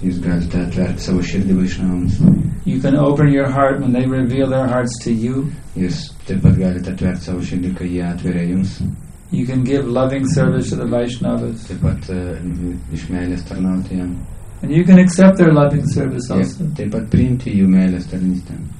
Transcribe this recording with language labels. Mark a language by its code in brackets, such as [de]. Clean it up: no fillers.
[lt] Jūs galite atverti savo širdį Vaishnavas. [en] You can open your heart when they reveal their hearts to you. [lt] Jūs taip pat galite atverti savo širdį, kai jie atveria jums. [en] You can give loving service to the Vaishnavas. [lt] Taip pat iš meilės tarnauti jam. [en] And you can accept their loving service also. [lt] Taip pat priimti jų meilės tarnystę.